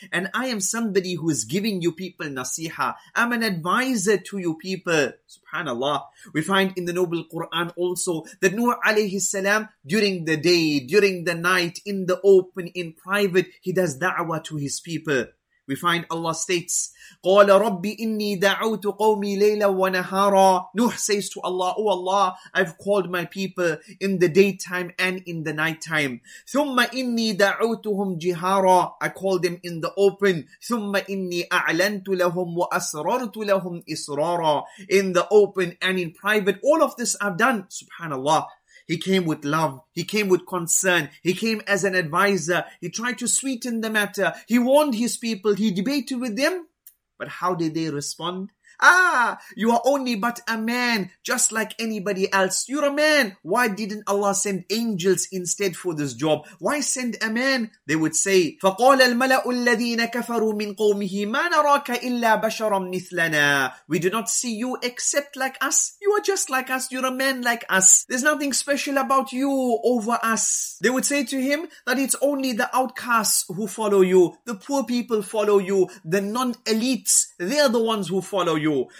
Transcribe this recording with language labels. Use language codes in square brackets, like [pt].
[en] And I am somebody who is giving you people nasiha. I'm an advisor to you people. Subhanallah. We find in the Noble Quran also that Nuh alayhi salam, during the day, during the night, in the open, in private, he does da'wah to his people. We find Allah states, [ar] قَالَ رَبِّ إِنِّي دَعَوْتُ قَوْمِي لَيْلًا وَنَهَارًا. [en] Nuh says to Allah, oh Allah, I've called my people in the daytime and in the nighttime. [ar] ثُمَّ إِنِّي دَعَوْتُهُمْ جِهَارًا. [en] I called them in the open. [ar] ثُمَّ إِنِّي أَعْلَنْتُ لَهُمْ وَأَسْرَرْتُ لَهُمْ إِسْرَارًا. [en] In the open and in private, all of this I've done. Subhanallah. He came with love. He came with concern. He came as an advisor. He tried to sweeten the matter. He warned his people. He debated with them. But how did they respond? Ah, you are only but a man, just like anybody else. You're a man. Why didn't Allah send angels instead for this job? Why send a man? They would say, [ar] فَقَالَ الْمَلَأُ الَّذِينَ كَفَرُوا مِنْ قَوْمِهِ مَا نَرَاكَ إِلَّا بَشَرًا مِثْلَنَا. [en] We do not see you except like us. You are just like us. You're a man like us. There's nothing special about you over us. They would say to him that it's only the outcasts who follow you. The poor people follow you. The non-elites, they're the ones who follow you.